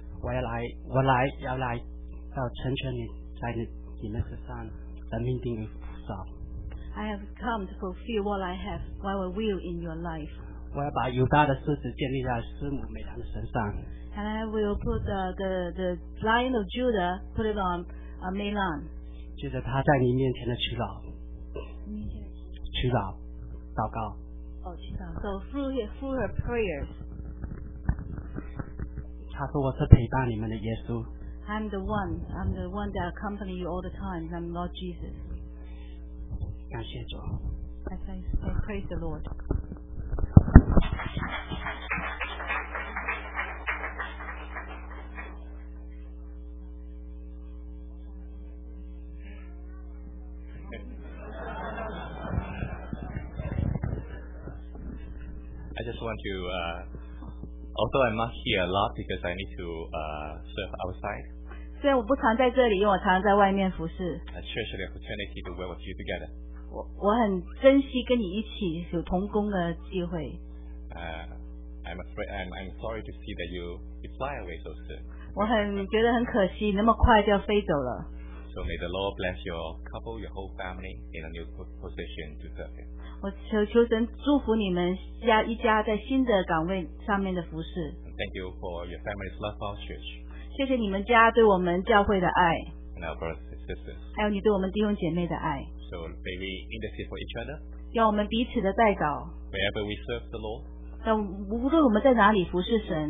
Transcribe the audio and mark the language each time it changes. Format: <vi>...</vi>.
<zh>我要来成全你在你们身上的命定与福寿。</zh> <en>I have come to fulfill what I have, what I will in your life.</en> <zh>我要把犹大的狮子建立在师母美兰的身上。</zh> <en>And I will put the lion of Judah, put it on Melan.</en> <zh>就是他在你面前的祈祷。祈祷。祷告。</zh> <en>So through her prayers.</en> <zh>他说我是陪伴你们的耶稣。</zh> <en>I'm the one that accompany you all the time. I'm Lord Jesus.</en> <zh>感谢主。</zh> <en>I praise the Lord. although I'm not here a lot because I need to serve outside.</en> <zh>虽然我不常在这里，因为我常常在外面服侍。</zh> <en>I cherish the opportunity to work with you together.</en> <zh>我很珍惜跟你一起有同工的机会。</zh> <en>I'm sorry to see that you fly away so soon.</en> <zh>我很觉得很可惜，那么快就飞走了。</zh> <en>So may the Lord bless your couple, your whole family in a new position to serve Him.</en> <zh>我求神祝福你们家一家在新的岗位上面的服侍。</zh> <en>Thank you for your family's love for our church.</en> <zh>谢谢你们家对我们教会的爱。</zh> <en>And our brothers and sisters.</en> <zh>还有你对我们弟兄姐妹的爱。</zh> <en>So may we intercede for each other.</en> <zh>要我们彼此的代祷。</zh> <en>Wherever we serve the Lord.</en> <zh>那无论我们在哪里服侍神。</zh>